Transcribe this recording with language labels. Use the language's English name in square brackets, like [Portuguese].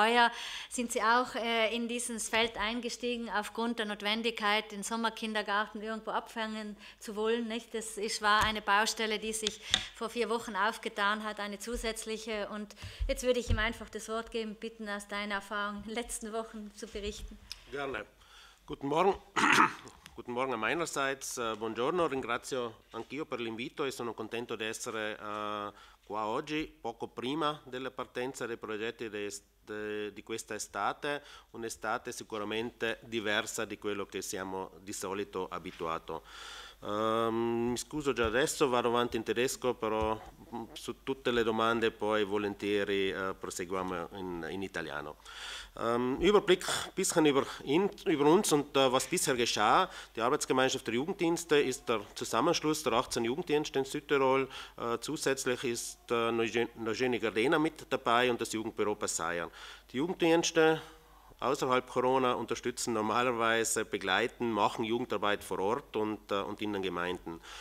[German] Heuer sind sie auch in dieses Feld eingestiegen, aufgrund der Notwendigkeit, den Sommerkindergarten irgendwo abfangen zu wollen. Nicht? Das war eine Baustelle, die sich vor 4 Wochen aufgetan hat, eine zusätzliche. Und jetzt würde ich ihm einfach das Wort geben, bitten, aus deiner Erfahrungen in den letzten Wochen zu berichten. Gerne. Guten Morgen. Guten Morgen meinerseits. [Italian] Buongiorno, ringrazio anch'io per l'invito e sono contento di essere qua oggi, poco prima della partenza dei progetti di questa estate, un'estate sicuramente diversa di quello che siamo di solito abituato. Mi scuso già adesso, vado avanti in tedesco, però su tutte le domande poi volentieri proseguiamo in italiano. [German] Überblick bisschen über uns und was bisher geschah. Die Arbeitsgemeinschaft der Jugenddienste ist der Zusammenschluss der 18 Jugenddienste in Südtirol. Zusätzlich ist Neugenie Gardena mit dabei und das Jugendbüro Passaian. Die Jugenddienste außerhalb Corona unterstützen normalerweise, begleiten, machen Jugendarbeit vor Ort und in den Gemeinden.